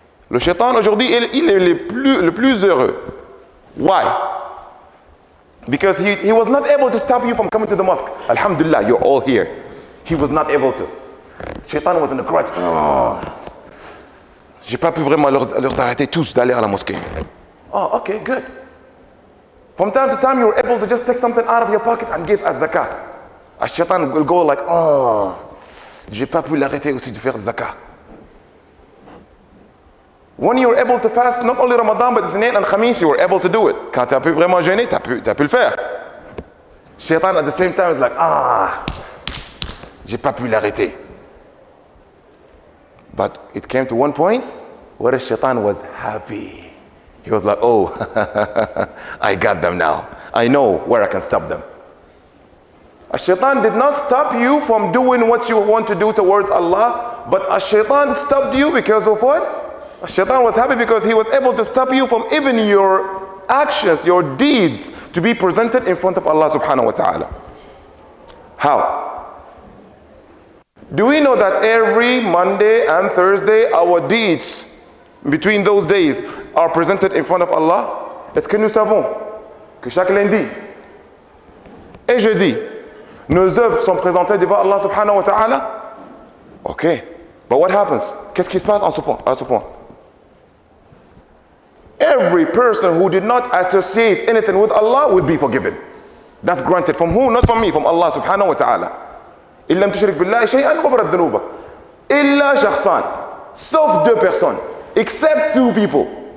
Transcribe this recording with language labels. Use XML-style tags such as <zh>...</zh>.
<fr>Le shaytan aujourd'hui, il est le plus heureux.</fr> <en>Why? Because he was not able to stop you from coming to the mosque. Alhamdulillah, you're all here. He was not able to. Shaytan was in a crutch. Oh,</en> <fr>j'ai pas pu vraiment leur arrêter tous d'aller à la mosquée.</fr> <en>Oh, okay, good. From time to time, you were able to just take something out of your pocket and give as zakah. Ash-shaytan will go like, oh,</en> <fr>j'ai pas pu l'arrêter aussi de faire zakah.</fr> <en>When you were able to fast, not only Ramadan, but Thinein and Khamis, you were able to do it.</en> <fr>Quand t'as pu vraiment jeûner, t'as pu le faire.</fr> <en>Shaytan at the same time is like, ah,</en> <fr>j'ai pas pu l'arrêter.</fr> <en>But it came to one point where Shaytan was happy. He was like, oh, I got them now. I know where I can stop them. Ash-shaytan did not stop you from doing what you want to do towards Allah, but ash-shaytan stopped you because of what? Ash-shaytan was happy because he was able to stop you from even your actions, your deeds, to be presented in front of Allah subhanahu wa ta'ala. How? Do we know that every Monday and Thursday, our deeds between those days are presented in front of Allah?</en> <fr>Est-ce que nous savons que chaque lundi et jeudi, nos œuvres sont présentées devant Allah subhanahu wa ta'ala?</fr> <en>Okay, but what happens?</en> <fr>Qu'est-ce qui se passe à ce point?</fr> <en>Every person who did not associate anything with Allah will be forgiven. That's granted. From who? Not from me, from Allah subhanahu wa ta'ala.</en> <ar>إِلَّا لَمْ تُشْرِكْ بِاللَّهِ شَيْئًا غَفَرَ الذُّنُوبَ إِلَّا شَخْصًا.</ar> <fr>Sauf deux personnes.</fr> <en>Except two people.</en>